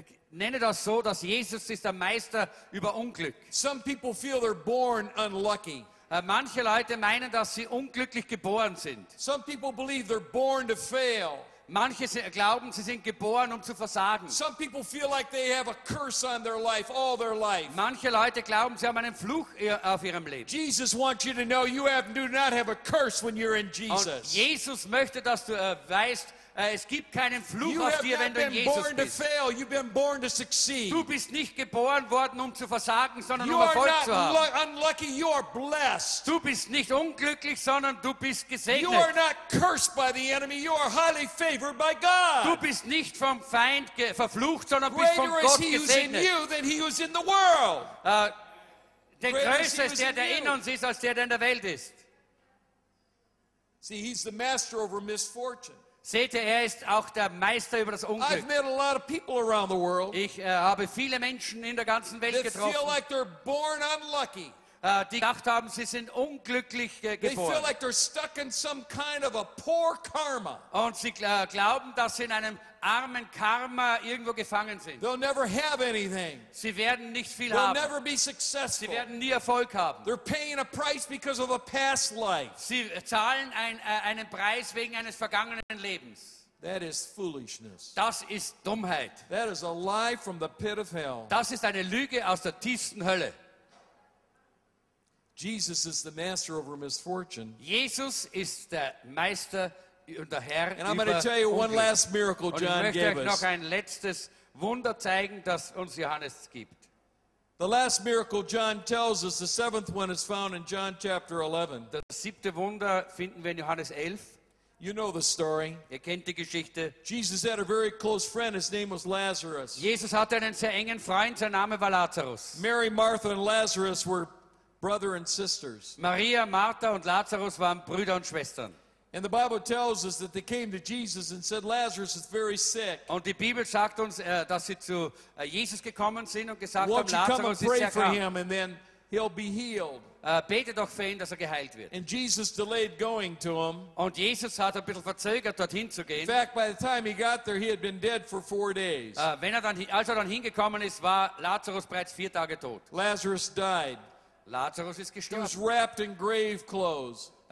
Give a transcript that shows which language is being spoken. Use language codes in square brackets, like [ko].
[de] Nenne das so, dass Jesus ist der Meister über Unglück. [en] Some people feel they're born unlucky. [de] Manche Leute meinen, dass sie unglücklich geboren sind. [en] Some people believe they're born to fail. [de] Manche glauben, sie sind geboren, um zu versagen. [en] Some people feel like they have a curse on their life, all their life. [de] Manche Leute glauben, sie haben einen Fluch auf ihrem Leben. [en] Jesus wants you to know you have, do not have a curse when you're in Jesus. [de] Und Jesus möchte, dass du weißt, es gibt keinen Fluch auf dir, wenn du in Jesus bist. [en] You have been born to fail. You've been born to succeed. [de] Du bist nicht geboren worden, um zu versagen, sondern um Erfolg zu haben. [en] You are not unlucky. You are blessed. [de] Du bist nicht unglücklich, sondern du bist gesegnet. [en] You are not cursed by the enemy. You are highly favored by God. [de] Du bist nicht vom Feind verflucht, sondern bist von Gott gesegnet. [en] Greater is He who's in you than He who's in the world. [de] Der Größte ist der in uns ist, als der in der Welt ist. [en] See, He's the master over misfortune. [de] Seht ihr, er ist auch der Meister über das Unglück. [en] I've met a lot of people around the world. [de] Ich habe viele Menschen in der ganzen Welt getroffen. [en] They feel like they're born unlucky. [de] Die gedacht haben, sie sind unglücklich geboren. [en] They feel like they're stuck in some kind of a poor karma. [de] Und sie glauben, dass sie in einem armen Karma irgendwo gefangen sind. [en] They'll never have anything. [de] Sie werden nicht viel [en] They'll [de] haben. [en] Never be successful. [de] Sie werden nie Erfolg haben. [en] They're paying a price because of a past life. [de] Sie zahlen einen Preis wegen eines vergangenen Lebens. [en] That is foolishness. [de] Das ist Dummheit. [en] That is a lie from the pit of hell. [de] Das ist eine Lüge aus der tiefsten Hölle. [en] Jesus is the master over misfortune. [de] Jesus ist der Meister und der Herr [en] And I'm going to tell you one last miracle John gave us. [de] Ich möchte euch noch ein letztes Wunder zeigen, das uns Johannes gibt. [en] The last miracle John tells us, the seventh one is found in John chapter 11. [de] Das siebte Wunder finden wir in Johannes 11. [en] You know the story. [de] Ihr kennt die Geschichte. [en] Jesus had a very close friend. His name was Lazarus. [de] Jesus hatte einen sehr engen Freund. Sein Name war Lazarus. [en] Mary, Martha, and Lazarus were brother and sisters. [de] Maria, Martha und Lazarus waren Brüder und Schwestern. [en] And the Bible tells us that they came to Jesus and said, Lazarus is very sick. [de] Und die Bibel sagt uns, dass sie zu Jesus gekommen sind und gesagt [en] Won't [de] haben, Lazarus [en] come and [de] ist sehr [en] for [de] krank. [en] Him and then he'll be healed. [de] Bete doch für ihn, dass geheilt wird. [en] And Jesus delayed going to him. [de] Und Jesus hat ein bisschen verzögert, dorthin zu gehen. [en] In fact, by the time he got there, he had been dead for 4 days. [de] Als dann hingekommen ist, war Lazarus bereits 4 Tage tot. [en] Lazarus died. [de] Lazarus ist gestorben. [en] He was wrapped in grave clothes.